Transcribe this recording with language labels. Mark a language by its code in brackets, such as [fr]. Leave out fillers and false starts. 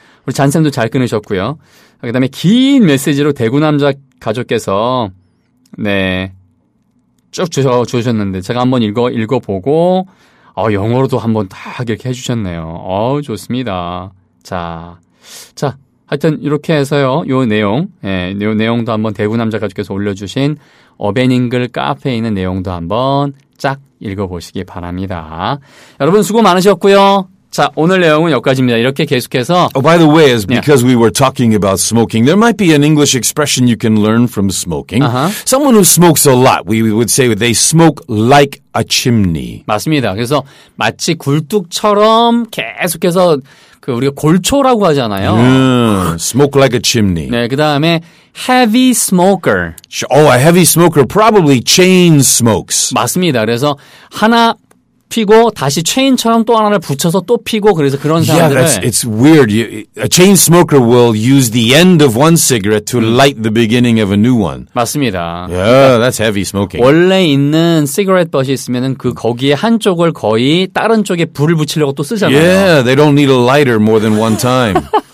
[ko] 우리 잔쌤도 잘 끊으셨고요. 그다음에 긴 메시지로 대구 남자 가족께서 네 쭉 주셨는데 제가 한번 읽어보고 영어로도 한번 딱 이렇게 해주셨네요. 좋습니다. 자, 하여튼 이렇게 해서요. 요 내용도 한번 대구 남자 가족께서 올려주신 어벤잉글 카페에 있는 내용도 한번 쫙 읽어보시기 바랍니다. 여러분 수고 많으셨고요. 자, 오늘 내용은 여기까지입니다. 이렇게 계속해서 [en] Oh, by the way, it's because we were talking about smoking. There might be an English expression you can learn from smoking. Someone who smokes a lot, we would say they smoke like a chimney. [ko] 맞습니다. 그래서 마치 굴뚝처럼 계속해서 그 우리가 골초라고 하잖아요. [en] Smoke like a chimney. [ko] 네, 그다음에 [en] heavy smoker. Oh, a heavy smoker probably chain smokes. [ko] 맞습니다. 그래서 하나 피고 다시 체인처럼 또 하나를 붙여서 또 피고 그래서 그런 사람들은 [en] Yeah, it's weird. A chain smoker will use the end of one cigarette to light the beginning of a new one. [ko] 맞습니다. [en] Yeah, [ko] 그러니까 [en] that's heavy smoking. [ko] 원래 있는 cigarette butt이 있으면은 그 거기에 한쪽을 거의 다른 쪽에 불을 붙이려고 또 쓰잖아요. [en] Yeah, they don't need a lighter more than one time.